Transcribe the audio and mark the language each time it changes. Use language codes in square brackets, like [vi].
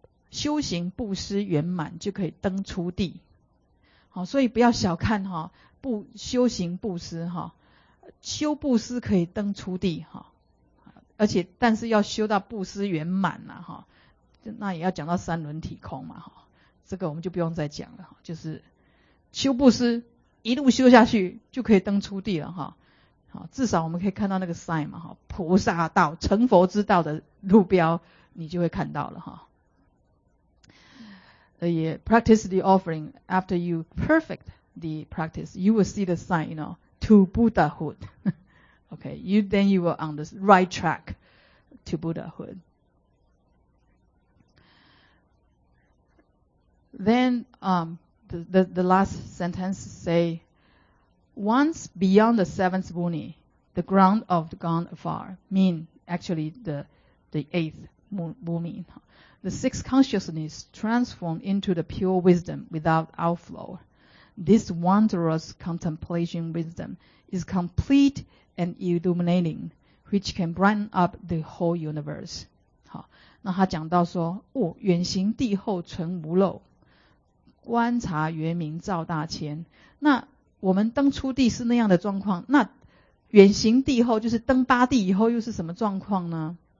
[zh] 修行布施圆满就可以登出地。好，所以不要小看哈，不修行布施哈，修布施可以登初地哈，而且但是要修到布施圆满呐哈，那也要讲到三轮体空嘛哈，这个我们就不用再讲了哈，就是修布施一路修下去就可以登初地了哈，好，至少我们可以看到那个 sign 嘛哈，菩萨道成佛之道的路标你就会看到了哈。 [en] Practice the offering. After you perfect the practice, you will see the sign, you know, to Buddhahood. Okay, then you are on the right track to Buddhahood. Then, the last sentence say, once beyond the seventh Bhumi, the ground of gone afar, mean actually the eighth Bhumi. The sixth consciousness transformed into the pure wisdom without outflow. This wondrous contemplation wisdom is complete and illuminating, which can brighten up the whole universe. [zh] 好，那他讲到说，哦，远行地后存无漏，观察圆明照大千。那我们登初地是那样的状况，那远行地后就是登八地以后又是什么状况呢？